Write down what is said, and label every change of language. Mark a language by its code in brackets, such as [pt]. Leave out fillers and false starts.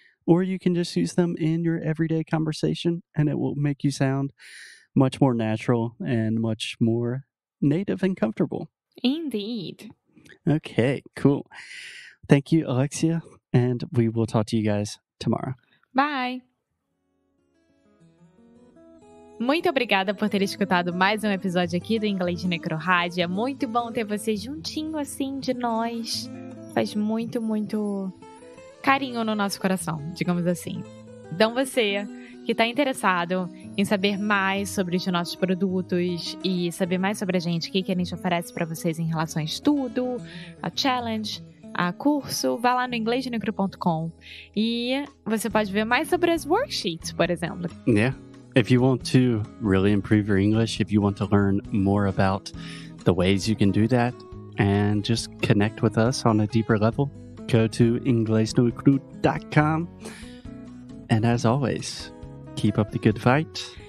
[en] Or you can just use them in your everyday conversation, and it will make you sound much more natural and much more native and comfortable. Indeed. Okay, cool. Thank you, Alexia, and we will talk to you guys tomorrow. Bye! [pt] Muito obrigada por ter escutado mais um episódio aqui do Inglês Necro Rádio. É muito bom ter você juntinho assim de nós. Faz muito, muito carinho no nosso coração, digamos assim. Então você que está interessado em saber mais sobre os nossos produtos e saber mais sobre a gente, o que a gente oferece para vocês em relação a estudo, a challenge, a curso, vá lá no inglesnecro.com e você pode ver mais sobre as worksheets, por exemplo. [en] Yeah. If you want to really improve your English, if you want to learn more about the ways you can do that and just connect with us on a deeper level, go to inglesnecro.com. And as always, keep up the good fight.